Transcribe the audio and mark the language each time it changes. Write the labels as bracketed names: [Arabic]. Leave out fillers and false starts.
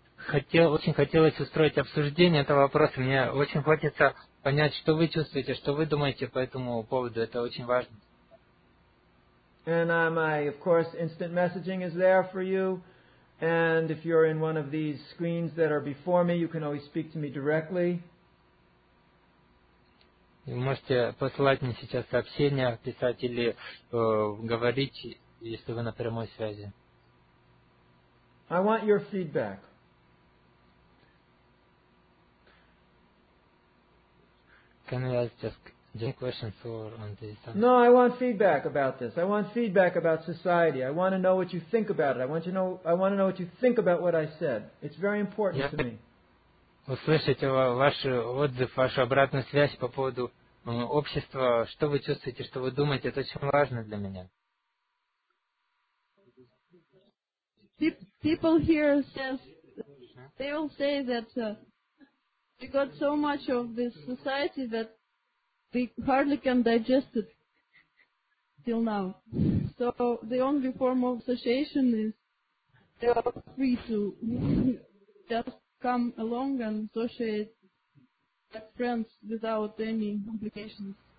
[Russian] Очень хотелось устроить обсуждение этого вопроса. Мне очень хочется понять, что вы чувствуете, что вы думаете по этому поводу. Это очень важно. [English] And my, of course, instant messaging is there for you. And if you're in one of these screens that are before me, you can always speak to me directly. Вы можете посылать мне сейчас сообщения, писать или говорить, если вы на прямой связи. I want your feedback. Can I ask just any questions or on this? No, I want feedback about this. I want feedback about society. I want to know what you think about it. I want to know what you think about what I said. It's very important to me. [Russian] Услышать ваш отзыв, вашу обратную связь по поводу общества, что вы чувствуете, что вы думаете, это очень важно для меня. [English] People here says they all say that we got so much of this society that we hardly can digest it till now. So the only form of association is they are free to just come along and associate as friends without any complications.